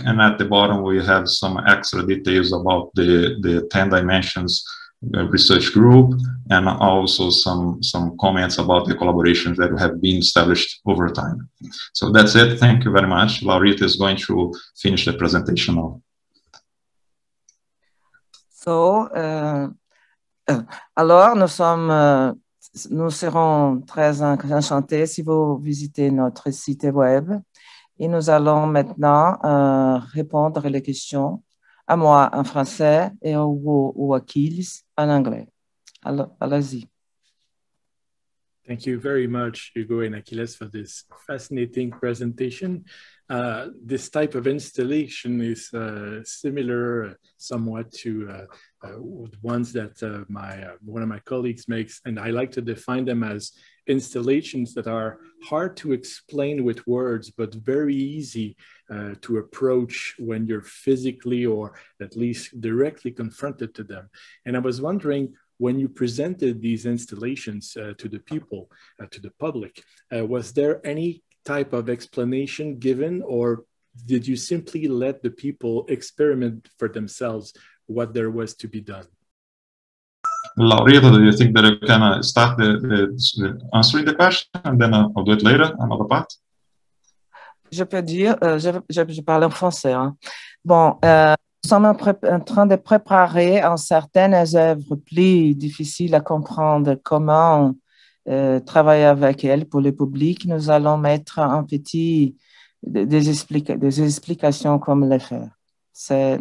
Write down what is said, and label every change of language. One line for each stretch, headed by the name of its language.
English: And at the bottom, we have some extra details about the 10 dimensions research group, and also some comments about the collaborations that have been established over time. So that's it. Thank you very much. Laurita is going to finish the presentation now.
French: So, alors, nous serons très enchantés si vous visitez notre site web, et nous allons maintenant répondre les questions à moi en français et à Hugo ou à Kils en anglais. Allez-y.
English: Thank you very much, Hugo and Achilles, for this fascinating presentation. This type of installation is similar somewhat to the ones that one of my colleagues makes, and I like to define them as installations that are hard to explain with words, but very easy to approach when you're physically or at least directly confronted to them. And I was wondering, when you presented these installations to the people, to the public, was there any type of explanation given, or did you simply let the people experiment for themselves what there was to be done? Laurita, do you think that I can start the answering the question, and then I'll do it later, another part?
French: Je peux dire, je parle en français. Hein. Bon, nous sommes en train de préparer en certaines œuvres plus difficiles à comprendre comment travailler avec elles pour le public. Nous allons mettre un petit des explications comme les faire.